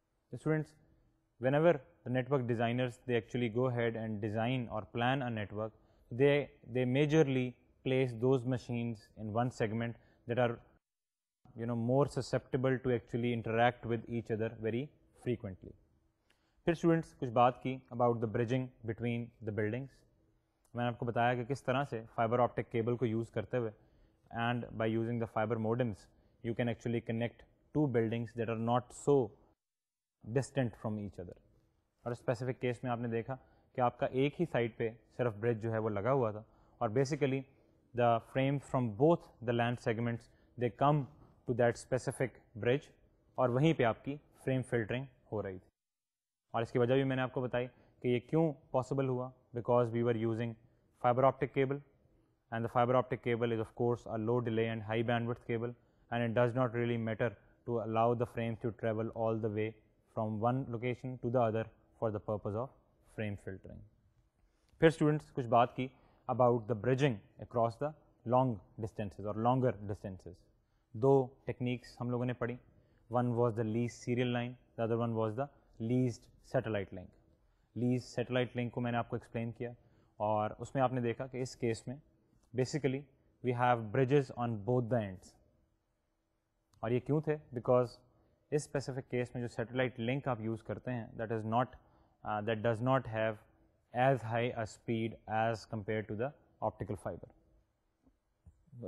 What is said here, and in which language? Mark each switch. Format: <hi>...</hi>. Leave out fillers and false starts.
<en>The students, whenever the network designers, they actually go ahead and design or plan a network, they majorly place those machines in one segment that are, you know, more susceptible to actually interact with each other very frequently.</en> <ur>پھر students کچھ بات کی</ur> <en>About the bridging between the buildings.</en> <ur>میں نے آپ کو بتایا کہ کس طرح سے فائبر آپٹک کیبل کو یوز کرتے ہوئے,</ur> <en>And by using the fibre modems, you can actually connect to buildings that are not so distant from each other.</en> <ur>اور اسپیسیفک کیس میں آپ نے دیکھا کہ آپ کا ایک ہی سائڈ پہ صرف بریج جو ہے وہ لگا ہوا تھا, اور basically</ur> <en>the frame from both the land segments they come to that specific bridge,</en> <ur>اور وہیں پہ آپ کی فریم فلٹرنگ ہو رہی تھی. اور اس کی وجہ بھی میں نے آپ کو بتائی کہ یہ کیوں پاسبل ہوا,</ur> <en>Because we are using fibre optic cable, and the fibre optic cable is of course a low delay and high bandwidth cable, and it does not really matter to allow the frame to travel all the way from one location to the other for the purpose of frame filtering.</en> <ur>پھر students کچھ بات کی</ur> <en>About the bridging across the long distances اور longer distances.</en> <ur>دو techniques ہم لوگوں نے پڑھی,</ur> <en>One was the lease serial line, the other one was the leased satellite link.</en> <ur>Lease satellite link کو میں نے آپ کو ایکسپلین کیا, اور اس میں آپ نے دیکھا کہ اس کیس میں basically</ur> <en>We have bridges on both the ends.</en> <ur>اور یہ کیوں تھے؟ بیکاز اس اسپیسیفک کیس میں جو سیٹلائٹ لنک آپ یوز کرتے ہیں,</ur> <en>That is not that does not have as high a speed as compare to the optical fibre.</en>